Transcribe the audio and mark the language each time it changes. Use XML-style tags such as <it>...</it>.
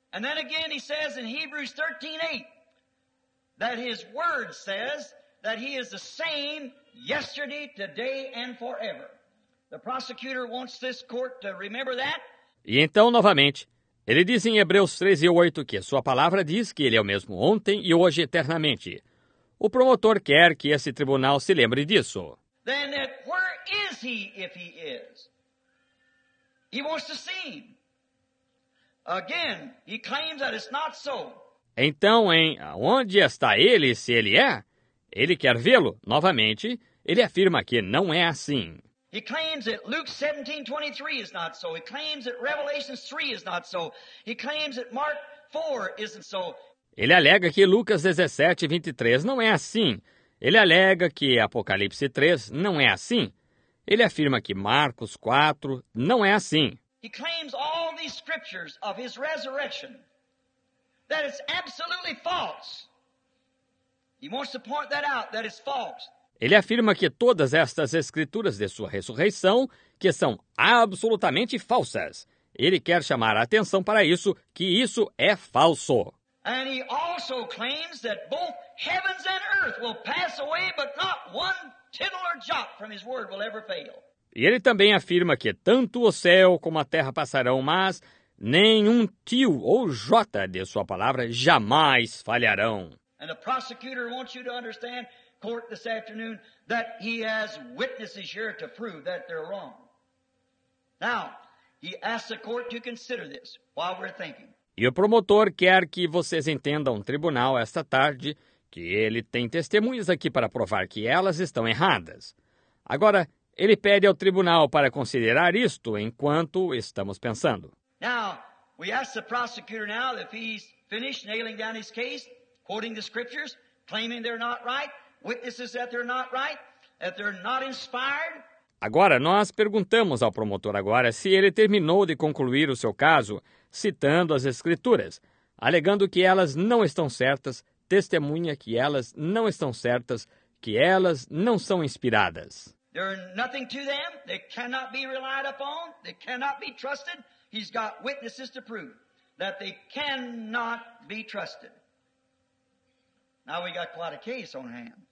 <en>And then again he says in Hebrews 13:8 that his word says that he is the same yesterday, today and forever. The prosecutor wants this court to remember that.</en> <pt>E então novamente, ele diz em Hebreus 13:8 que a sua palavra diz que ele é o mesmo ontem e hoje eternamente. O promotor quer que esse tribunal se lembre disso.</pt> <en>Then that where is he if he is? He wants to see him. Again, he claims that it's not so.</en> <pt>Então, hein, onde está ele se ele é? Ele quer vê-lo novamente. Ele afirma que não é assim.</pt> <en>He claims that Luke 17:23 is not so. He claims that Revelation 3 is not so. He claims that Mark 4 isn't so.</en> <pt>Ele alega que Lucas 17:23 não é assim. Ele alega que Apocalipse 3 não é assim. Ele afirma que Marcos 4 não é assim.</pt> <en>He claims all these scriptures of his resurrection that it's absolutely false. He wants to point that out, that it's false.</en> <pt>Ele afirma que todas estas escrituras de sua ressurreição, que são absolutamente falsas. Ele quer chamar a atenção para isso, que isso é falso.</pt> <en>And he also claims that both heavens and earth will pass away, but not one tittle or jot from his word will ever fail.</en> <pt>E ele também afirma que tanto o céu como a terra passarão, mas nenhum tio ou jota de sua palavra jamais falharão.</pt> <en>And the prosecutor wants you to understand court this afternoon that he has witnesses here to prove that they're wrong. Now, he asks the court to consider this while we're thinking.</en> <pt>E o promotor quer que vocês entendam, tribunal, esta tarde, que ele tem testemunhas aqui para provar que elas estão erradas. Agora, ele pede ao tribunal para considerar isto enquanto estamos pensando.</pt> <en>Now, we ask the prosecutor now if he's finished nailing down his case, quoting the scriptures, claiming they're not right, witnesses that they're not right, that they're not inspired.</en> <pt>Agora, nós perguntamos ao promotor agora se ele terminou de concluir o seu caso, citando as escrituras, alegando que elas não estão certas, testemunha que elas não estão certas, que elas não são inspiradas.</pt> <en>There are nothing to them. They cannot be relied upon. They cannot be trusted. He's got witnesses to prove that they cannot be trusted. Now we got quite a case on hand.</en>